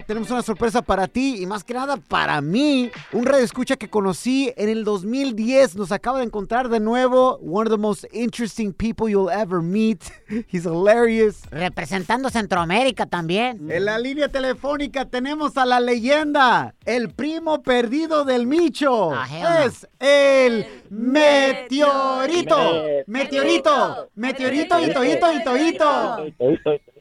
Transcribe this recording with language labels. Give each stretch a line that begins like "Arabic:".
Spanish: Tenemos una sorpresa para ti y más que nada para mí. Un radioescucha que conocí en el 2010. Nos acaba de encontrar de nuevo.
English: One of the most interesting people you'll ever meet. He's hilarious.
Spanish: Representando Centroamérica también. En la línea telefónica tenemos a la leyenda, el primo perdido del Micho. Ah, es el Meteorito. Meteorito. Meteorito y Toito y Toito.